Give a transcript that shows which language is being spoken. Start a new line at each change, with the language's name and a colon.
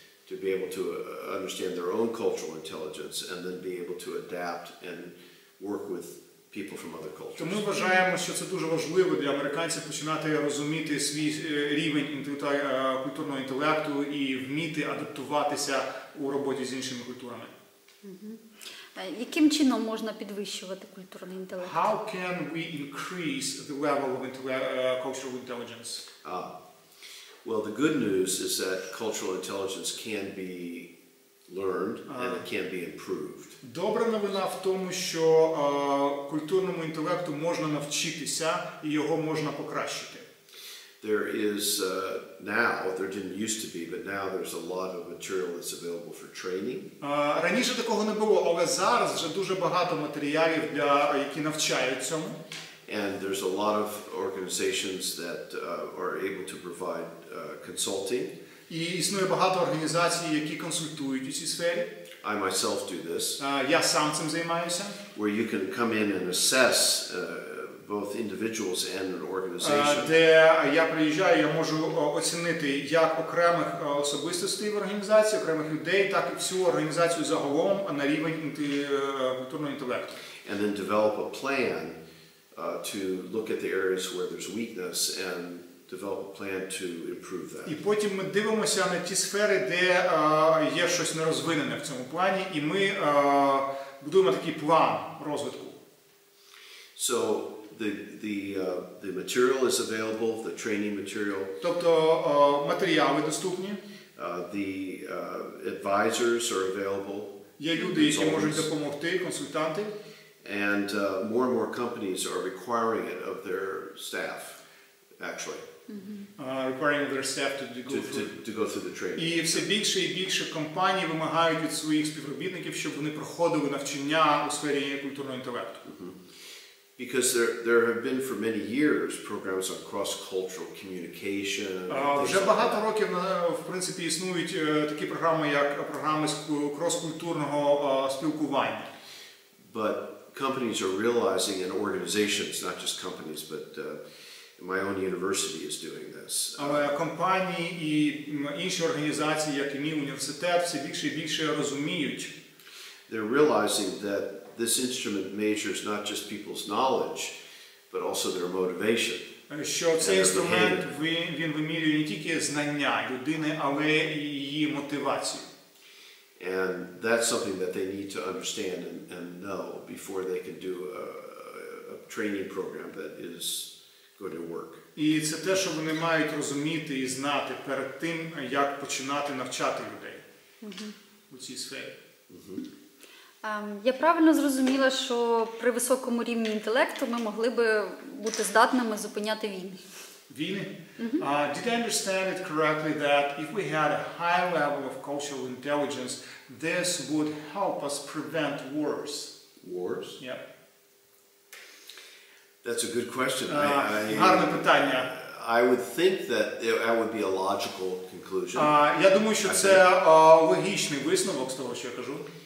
English: To be able to understand their own cultural intelligence and then be able to adapt and work with people from other cultures.
Ukrainian: Тому ми вважаємо, що це дуже важливо для американців починати розуміти свій рівень культурного інтелекту і вміти адаптуватися у роботі з іншими культурами. Яким чином можна підвищувати культурний інтелект?
English: How can we increase the level of cultural intelligence? Well, the good news is that cultural intelligence can be learned and it can be improved.
Ukrainian: Добра новина в тому, що культурному інтелекту можна навчитися і його можна покращити.
English: There is there didn't used to be, but now there's a lot of material that's available for training.
Ukrainian: Раніше такого не було, але зараз вже дуже багато матеріалів, які навчають цьому.
English: And there's a lot of organizations that are able to provide consulting.
Ukrainian: І існує багато організацій, які консультують у цій сфері.
English: I myself do this.
Ukrainian: Я сам цим займаюся.
English: Where you can come in and assess both individuals and an organization.
Ukrainian: Де я приїжджаю, я можу оцінити як окремих особистостей в організації, окремих людей, так і всю організацію загалом на рівень культурного інтелекту.
English: And then develop a plan to look at the areas where there's weakness and develop a plan to improve that.
Ukrainian: І потім ми дивимося на ті сфери, де є щось нерозвинене в цьому плані, і ми будуємо такий план розвитку.
English: So the material is available, the training material.
Ukrainian: Тобто матеріали доступні.
English: The advisors are available.
Ukrainian: Є люди, які можуть допомогти, консультанти.
English: And more and more companies are requiring it of their staff, actually. Requiring their staff to go through. To go through the training.
Ukrainian: І все більше і більше компаній вимагають від своїх співробітників, щоб вони проходили навчання у сфері культурного інтелекту.
English: Because there have been for many years programs on cross-cultural communication.
Ukrainian: Вже багато років, в принципі, існують такі програми, як програми крос-культурного спілкування.
English: But companies are realizing, and organizations, not just companies, but My own university is doing this.
Ukrainian: Але компанії і інші організації, як і мій університет, все більше і більше розуміють.
English: They're realizing that this instrument measures not just people's knowledge, but also their motivation.
Ukrainian: Що цей інструмент він вимірює не тільки знання людини, але і її мотивацію.
English: And that's something that they need to understand and know before they can do a training program that is going to work.
Ukrainian: І це те, що вони мають розуміти і знати перед тим, як починати навчати людей у цій сфері. Я правильно зрозуміла, що при високому рівні інтелекту ми могли би бути здатними зупиняти війни? Війни?
English: Did I understand it correctly that if we had a high level of cultural intelligence, this would help us prevent wars? Wars? Yeah. That's a good question.
Ukrainian: Гарне питання.
English: I would think that that would be a logical conclusion.
Ukrainian: Я думаю, що це логічний висновок з того, що я кажу.